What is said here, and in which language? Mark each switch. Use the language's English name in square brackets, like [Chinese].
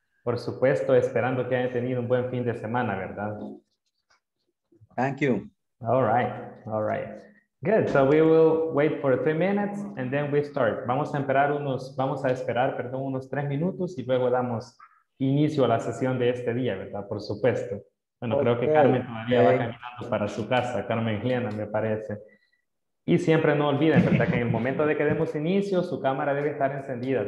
[Spanish] Por supuesto, esperando que hayan tenido un buen fin de semana, ¿verdad? [English] Thank you. All right. All right. Good. So we will wait for 3 minutes and then we start. [Spanish] Vamos a esperar unos 3 minutos y luego damos inicio a la sesión de este día, ¿verdad? Por supuesto. Bueno, okay. Creo que Carmen todavía okay. va caminando para su casa, Carmen Gliana, me parece. Y siempre no olviden, ¿verdad? Que en el momento de que demos inicio, su cámara debe estar encendida.